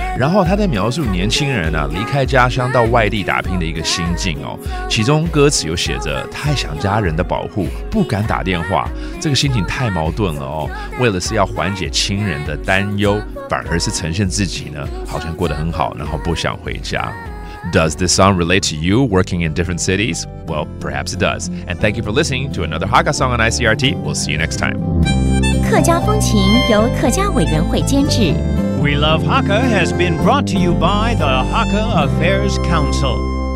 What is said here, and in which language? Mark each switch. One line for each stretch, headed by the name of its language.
Chinese: 然后他在描述年轻人啊离开家乡到外地打拼的一个心境哦。其中歌词有写着“太想家人的保护，不敢打电话”，这个心情太矛盾了哦。为了是要缓解亲人的担忧，反而是呈现自己呢好像过得很好，然后不想回家。
English: Does this song relate to you working in different cities? Well, perhaps it does. And thank you for listening to another Hakka song on ICRT. We'll see you next time.
Chinese: 客家风情由客家委员会监制。
English: We Love Hakka has been brought to you by the Hakka Affairs Council.